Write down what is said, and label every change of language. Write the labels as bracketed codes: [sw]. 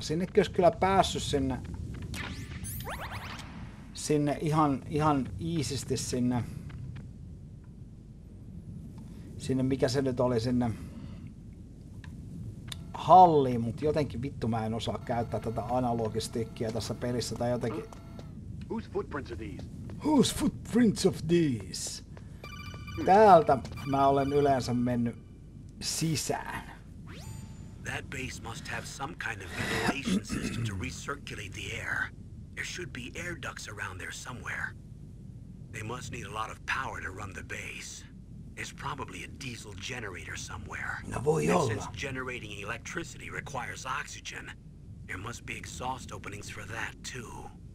[fi] Sinnekin olisi kyllä päässyt sinne ihan iisisti sinne mikä se nyt oli sinne halliin, mutta jotenkin vittu mä en osaa käyttää tätä analogistikkiä tässä pelissä tai jotenkin. [en] Whose footprints are these? Whose footprints of these? [fi] Täältä mä olen yleensä mennyt sisään. [en] That base must have some kind of ventilation system to recirculate the air. There should be air ducts around there somewhere. They must need a lot of power to run the base. is probably a diesel generator somewhere. [fi] No voi olla. [en] Since generating electricity requires oxygen, there must be exhaust openings for that too.